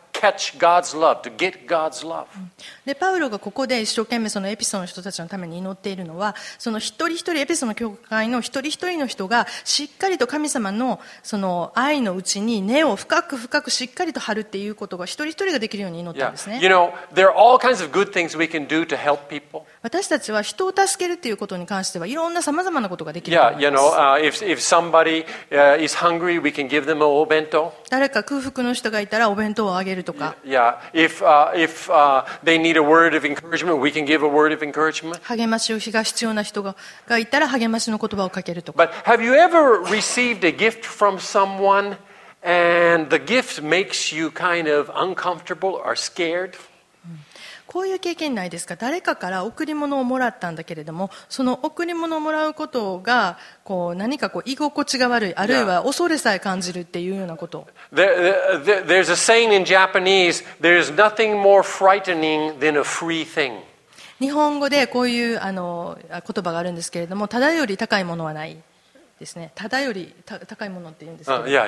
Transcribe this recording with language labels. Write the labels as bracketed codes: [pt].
[en] catch God's love, to get God's love. [ja] で、パウロがここで一生懸命そのエピソの人たちのために祈っているのは、その一人一人エピソの教会の一人一人の人がしっかりと神様のその愛のうちに根を深く深くしっかりと張るっていうことが一人一人ができるように祈ったんですね。 [en] Yeah. You know, there are all kinds of good things we can do to help people. [ja] 私たちは人を助けるということに関してはいろんなさまざまなことができると思います。 [en] Yeah, you know, if somebody is hungry, we can give them a bento. [ja] 誰か空腹の人がいたらお弁当をあげるとか。 [en] Yeah, if they need a word of encouragement, we can give a word of encouragement. [ja] 励ましが必要な人がいたら励ましの言葉をかけるとか。 [en] But have you ever received a gift from someone and the gift makes you kind of uncomfortable or scared? [ja] こういう経験ないですか。誰かから贈り物をもらったんだけれども、その贈り物をもらうことがこう何かこう居心地が悪い、あるいは恐れさえ感じるっていうようなこと。 [en] There's a saying in Japanese, there's nothing more frightening than a free thing. [ja] 日本語でこういうあの言葉があるんですけれども、ただより高いものはないですね。ただより高いものって言うんですけど。